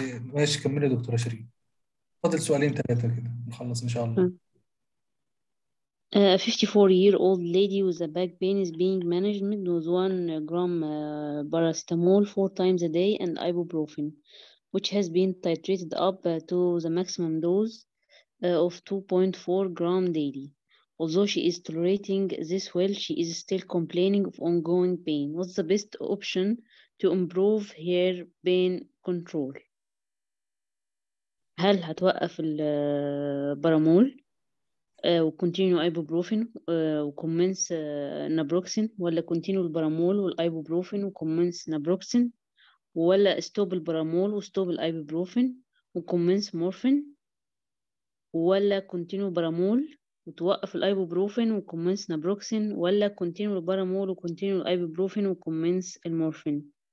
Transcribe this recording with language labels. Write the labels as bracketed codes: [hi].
[ar] ماشي كملي دكتورة شيرين، فاضل سؤالين ثلاثة كده نخلص ان شاء الله. [en] A 54-year-old lady with a back pain is being managed with 1 gram paracetamol 4 times a day and ibuprofen, which has been titrated up to the maximum dose of 2.4 gram daily. Although she is tolerating this well, she is still complaining of ongoing pain. What's the best option to improve her pain control? [ar] هل هتوقف البارامول وcontinue ibuprofen وcommence naproxen، ولا continue البارامول والibuprofen وcommence naproxen، ولا stop البارامول وstop الibuprofen وcommence morphine، ولا continue البارامول وتوقف الايبوبروفين وكومنس نابروكسين، ولا كونتينيو البارامول وكونتينيو الايبوبروفين وكومنس المورفين؟